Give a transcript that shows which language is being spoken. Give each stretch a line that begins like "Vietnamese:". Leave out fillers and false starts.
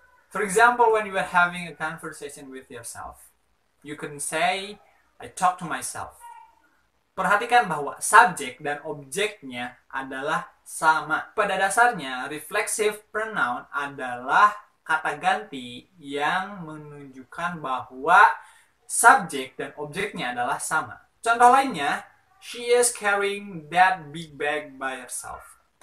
English: For example, when you are having a conversation with yourself, you can say, I talk to myself.
Indonesian: Perhatikan bahwa subjek dan objeknya adalah sama. Pada dasarnya, reflexive pronoun adalah kata ganti yang menunjukkan bahwa subjek dan objeknya adalah sama. Contoh lainnya,
English: she is carrying that big bag by herself.